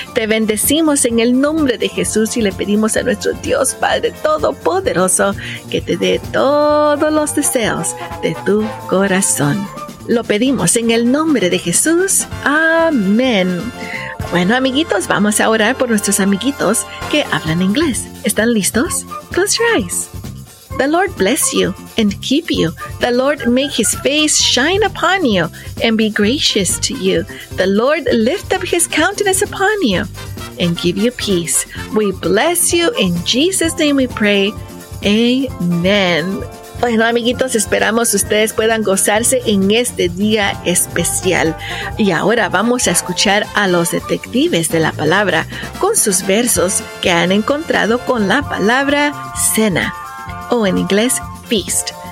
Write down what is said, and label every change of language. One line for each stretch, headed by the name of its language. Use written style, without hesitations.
Spanish: Te bendecimos en el nombre de Jesús y le pedimos a nuestro Dios Padre Todopoderoso que te dé todos los deseos de tu corazón. Lo pedimos en el nombre de Jesús. Amén. Bueno, amiguitos, vamos a orar por nuestros amiguitos que hablan inglés. ¿Están listos?
English: Close your eyes. The Lord bless you and keep you. The Lord make His face shine upon you and be gracious to you. The Lord lift up His countenance upon you and give you peace. We bless you. In Jesus' name we pray. Amen.
Spanish: Bueno, amiguitos, esperamos ustedes puedan gozarse en este día especial. Y ahora vamos a escuchar a los detectives de la palabra con sus versos que han encontrado con la palabra cena, o en inglés feast.